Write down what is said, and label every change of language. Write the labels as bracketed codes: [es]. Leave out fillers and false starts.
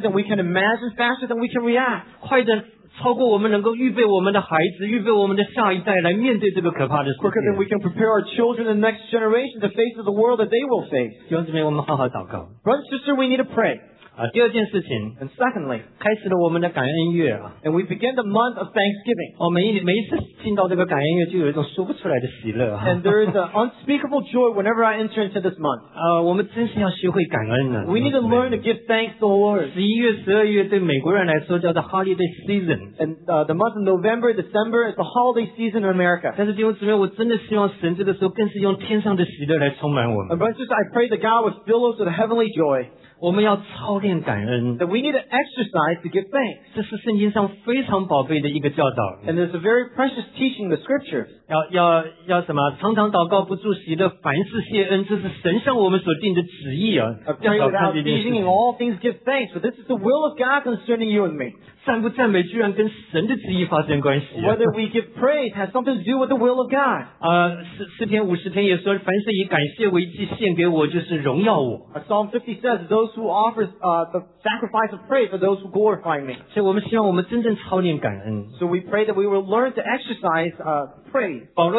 [en] than we can imagine, faster than we can react. [zh] 快得 超过我们能够预备我们的孩子，预备我们的下一代来面对这个可怕的事情。 [en] Quicker than we can prepare our children and the next generation to face the world that they will face. [zh] 弟兄姊妹，我们好好祷告。 [en] Brothers and sisters, we need to pray. [zh] 第二件事情, [en] and secondly, [zh] 开始了我们的感恩月, [en] and we begin the month of Thanksgiving. [zh] 每一次进到这个感恩月就有一种说不出来的喜乐, [en] and there is an unspeakable joy whenever I enter into this month. [zh] 我们真是要学会感恩了, [en] we need to learn to give thanks to the Lord. [zh] 11月、12月对美国人来说叫做 [en] holiday season. And the month of November, December is the holiday season in America. [zh] 但是弟兄姊妹，我真的希望神这个时候更是用天上的喜乐来充满我们。 [en] And brothers, I pray that God would fill us with heavenly joy. That we need to exercise to give thanks. [zh] 这是圣经上非常宝贵的一个教导。 [en] And there's a very precious teaching in the scripture. [zh] 要什么? 常常祷告不住息的, 凡事谢恩, 这是神向我们所定的旨意啊。 [en] Praying all things give thanks, but this is the will of God concerning you and me. [zh] 赞不赞美居然跟神的旨意发生关系啊。 [en] Whether we give praise has something to do with the will of God. [zh] 诗篇50篇也说, 凡事以感谢为祭献给我, 就是荣耀我。 [en] Psalm 50 says, those who offer the sacrifice of praise for those who glorify me. [zh] 所以我们希望我们真正操练感恩。 [en] So we pray that we will learn to exercise praise.